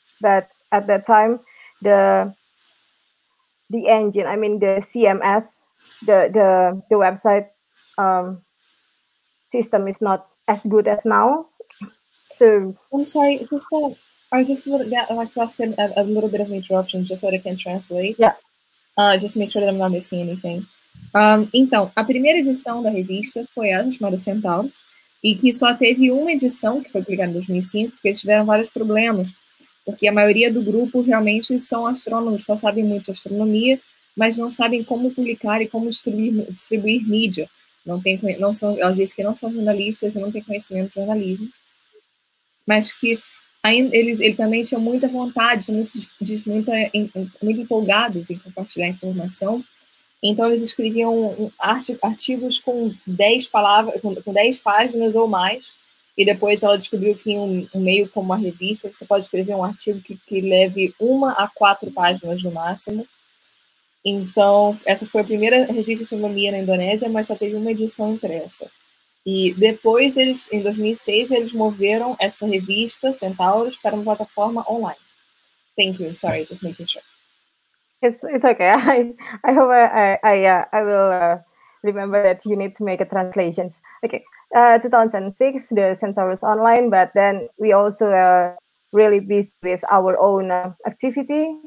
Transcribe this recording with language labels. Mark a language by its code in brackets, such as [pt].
[en] But at that time, the engine, I mean the CMS, the website system is not as good as now. So I'm sorry, sister. I just would like to ask a little bit of an interruption, just so that I can translate. Yeah. Just make sure that I'm not missing anything. [pt] Então, a primeira edição da revista foi a chamada Centaurus, e que só teve uma edição, que foi publicada em 2005, porque tiveram vários problemas, porque a maioria do grupo realmente são astrônomos, só sabem muito de astronomia, mas não sabem como publicar e como distribuir mídia. Não tem, não são, elas dizem que não são jornalistas e não têm conhecimento de jornalismo, mas que ele também tinha muita vontade, muito empolgados em compartilhar informação. Então, eles escreviam artigos com 10 palavras, com 10 páginas ou mais, e depois ela descobriu que em um meio como uma revista, você pode escrever um artigo que leve 1 a 4 páginas no máximo. Então, essa foi a primeira revista de astronomia na Indonésia, mas só teve uma edição impressa. E depois, eles, em 2006, eles moveram essa revista, Centaurus, para uma plataforma online. [en] Thank you, sorry, just making sure. It's okay. I hope I will remember that you need to make a translation. Okay. 2006, the Centaurus online, but then we also really busy with our own activity.